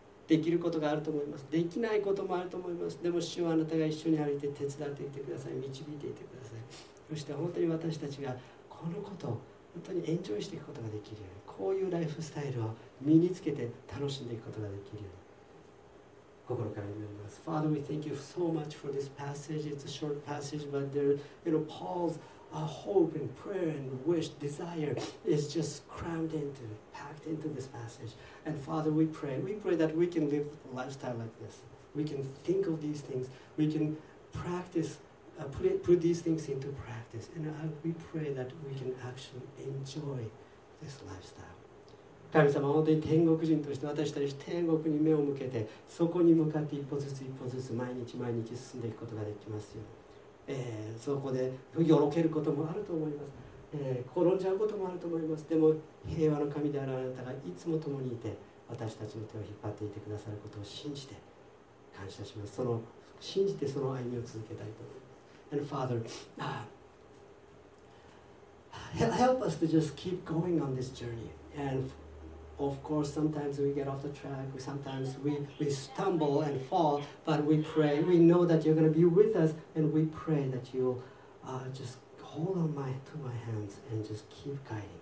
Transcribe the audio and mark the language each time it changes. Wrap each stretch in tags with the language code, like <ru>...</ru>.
<ja>できることがあると思います。できないこともあると思います。でも主はあなたが一緒に歩いて手伝っていてください。導いていてください。そして本当に私たちがこのことを本当にエンジョイしていくことができるように、こういうライフスタイルを身につけて楽しんでいくことができるように、心から祈ります。</ja> <en>Father, we thank you so much for this passage. It's a short passage, but there, you know, Paul's hope and prayer and wish, desire is just crammed into, packed into this passage. And Father, we pray that we can live a lifestyle like this. We can think of these things. We can practice, put these things into practice. And we pray that we can actually enjoy this lifestyle.</en> <ja>神様、本当に天国人として私たち天国に目を向けて、そこに向かって一歩ずつ一歩ずつ毎日毎日進んでいくことができますよ。そこでよろけることもあると思います。転んじゃうこともあると思います。でも平和の神であるあなたがいつも共にいて、私たちの手を引っ張っていてくださることを信じて感謝します。その信じてその歩みを続けたいと思います。</ja> <en>And Father, help us to just keep going on this journey. AndOf course, sometimes we get off the track, sometimes we stumble and fall, but we pray, we know that you're going to be with us, and we pray that you'll just hold on to my hands and just keep guiding.</en>